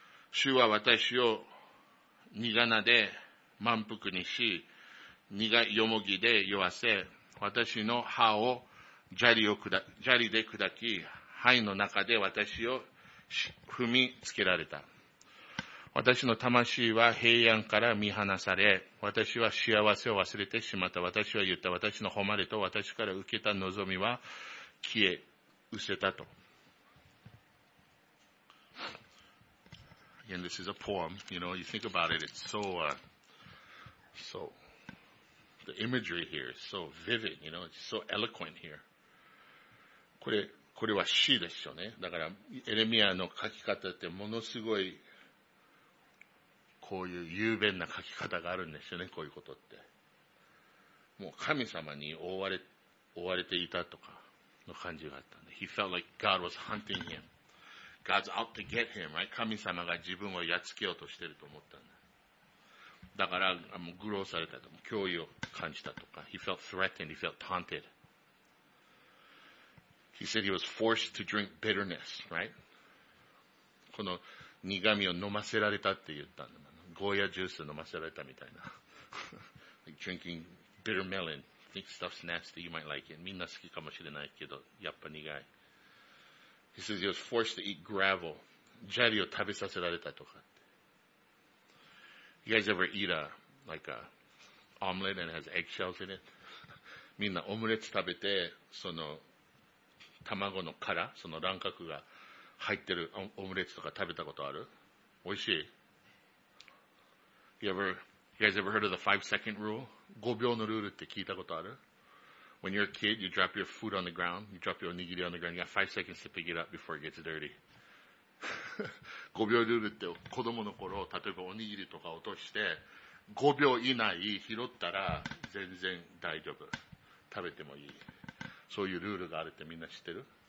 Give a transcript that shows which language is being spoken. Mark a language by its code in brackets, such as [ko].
[ja] 主は私を苦菜で満腹にし、苦よもぎで酔わせ、私の歯を砂利で砕き、肺の中で私を踏みつけられた。私の魂は平安から見放され、私は幸せを忘れてしまった。私は言った、私の誉れと私から受けた望みは消え、失せたと。 [en] Again, this is a poem. You know, you think about it, it's so, so, the imagery here is so vivid, you know, it's so eloquent here. [ja] これは詩でしょうね。だから、エレミアの書き方ってものすごい、こういう雄弁な書き方があるんですよね、こういうことって。もう神様に追われていたとかの感じがあったんで。 [en] He felt like God was hunting him. God's out to get him, right? [ja] 神様が自分をやっつけようとしてると思ったんだ。だから、もう愚弄されたとか、脅威を感じたとか。 [en] He felt threatened, he felt taunted. He said he was forced to drink bitterness, right? [ja] この苦味を飲ませられたって言ったんだ。ゴーヤジュース飲ませられたみたいな。 [en] like drinking bitter melon. Think stuff's nasty, you might like it. [ja] みんな好きかもしれないけど、やっぱ苦い。 [en] He says he was forced to eat gravel. [ja] 砂利を食べさせられたとかって。 [en] You guys ever eat a, like a omelette and it has eggshells in it? [ja] みんなオムレツ食べて、その卵の殻、その卵殻が入ってるオムレツとか食べたことある？美味しい？ [en] You guys ever heard of the 5-second rule? [ja] 5秒のルールって聞いたことある? [en] When you're a kid, you drop your food on the ground, you drop your おにぎりon the ground, you got 5 seconds to pick it up before it gets dirty. [ja] 5秒ルールって子供の頃、例えばおにぎりとか落として、5秒以内拾ったら全然大丈夫。食べてもいい。そういうルールがあるってみんな知ってる?